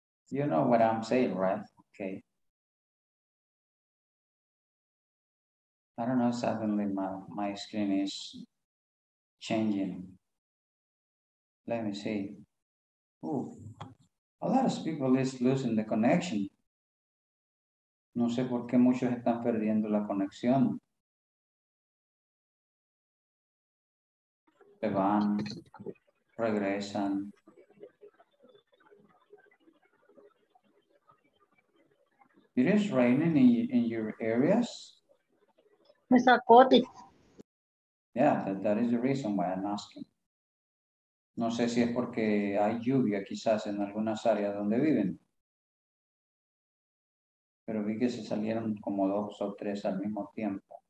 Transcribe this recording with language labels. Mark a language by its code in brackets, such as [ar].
[en] You know what I'm saying, right? Okay. I don't know, suddenly my screen is changing. Let me see. Ooh, a lot of people is losing the connection. [es] No sé por qué muchos están perdiendo la conexión. Van, regresan. [en] It is raining in your areas? [es] Me sacó de. [en] Yeah, that is the reason why I'm asking. [es] No sé si es porque hay lluvia quizás en algunas áreas donde viven. Pero vi que se salieron como dos o tres al mismo tiempo.